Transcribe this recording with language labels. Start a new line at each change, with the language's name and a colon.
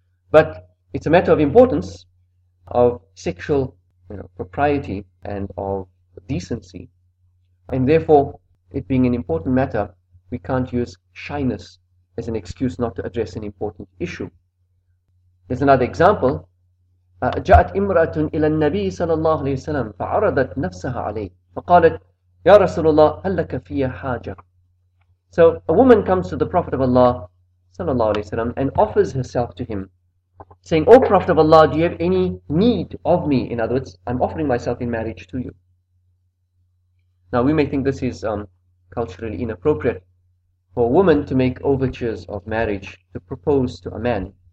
English: But it's a matter of importance, of sexual, propriety and of decency. And therefore, it being an important matter, we can't use shyness as an excuse not to address an important issue. There's another example.
Arabic: جاءت امراة الى النبي صلى الله عليه وسلم فعرضت نفسها عليه فقالت يا رسول الله هل لك فيها حاجة.
English: So a woman comes to the Prophet of Allah
Arabic: صلى الله عليه وسلم
English: and offers herself to him, saying, O Prophet of Allah, do you have any need of me? In other words, I'm offering myself in marriage to you. Now we may think this is culturally inappropriate for a woman to make overtures of marriage, to propose to a man.